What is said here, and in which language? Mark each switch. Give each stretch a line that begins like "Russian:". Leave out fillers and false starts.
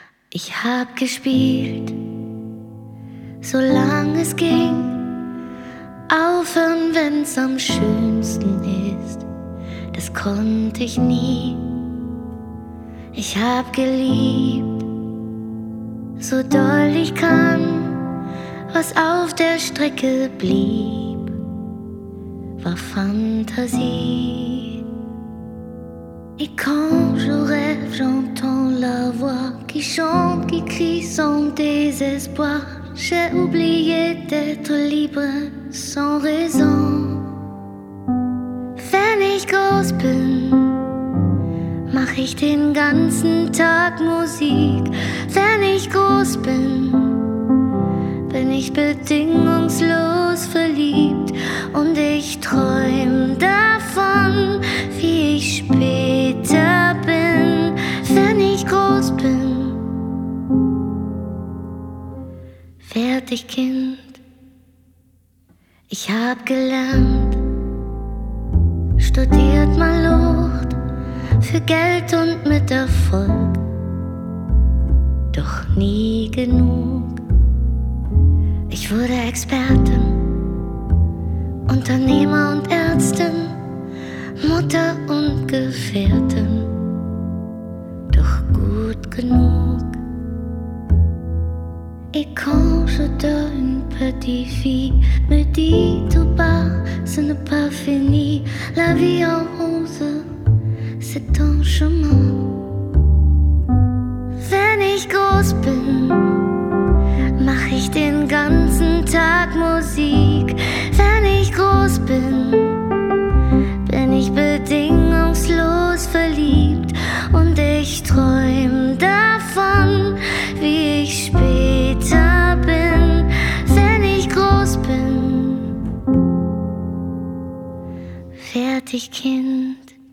German: Ich hab gespielt, solange es ging, aufhören, wenn's am schönsten ist, das konnte ich nie. Ich hab geliebt, so doll ich kann, was auf der Strecke blieb, war Fantasie.
French: Et quand je rêve, j'entends la voix qui chante, qui crie sans désespoir. J'ai oublié d'être libre sans raison.
German: Wenn ich groß bin, mach ich den ganzen Tag Musik. Wenn ich groß bin ich bedingungslos verliebt und ich träum davon, wie ich später bin, wenn ich groß bin. Fertig, Kind, ich hab gelernt, studiert mal Lucht für Geld und mit Erfolg, doch nie genug. Ich wurde Expertin, Unternehmer und Ärztin, Mutter und Gefährtin, doch gut genug.
French: Et quand je donne une petite fille, me dit tout bas, ce n'est pas fini. La vie en rose, c'est un chemin.
German: Wenn ich groß bin, mach ich den ganzen Tag Musik. Wenn ich groß bin ich bedingungslos verliebt und ich träum davon, wie ich später bin, wenn ich groß bin. Fertig, Kind.